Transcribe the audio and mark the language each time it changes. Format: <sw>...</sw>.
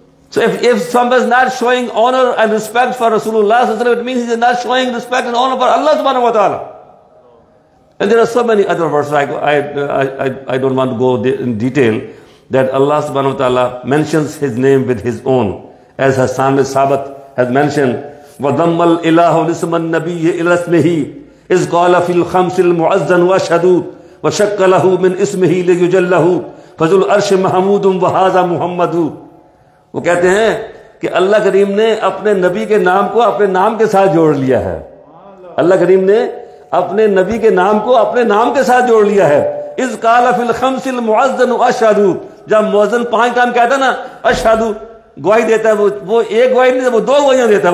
<en>So if someone is not showing honor and respect for Rasulullah, it means he is not showing respect and honor for Allah subhanahu wa ta'ala. And there are so many other verses, I don't want to go in detail, that Allah subhanahu wa ta'ala mentions his name with his own. As Hassan al-Sabat has mentioned,</en> <ar>وضم الاله لاسم النبي الى اسمه اذ قال في الخمس المعزن واشهدوا وشق له من اسمه ليجله فذو العرش محمود وهذا محمد.</ar> <ur>وہ کہتے ہیں کہ اللہ کریم نے اپنے نبی کے نام کو اپنے نام کے ساتھ جوڑ لیا ہے. اللہ کریم نے اپنے نبی کے نام کو اپنے نام کے ساتھ جوڑ لیا ہے.</ur> <ar>اذ قال في الخمس المعزن واشهدوا,</ar> <ur>جب مؤذن پانچ ٹائم کہتا نا اشہد, گواہی دیتا ہے, وہ ایک گواہی نہیں, وہ دو گواہیاں دیتا ہے.</ur>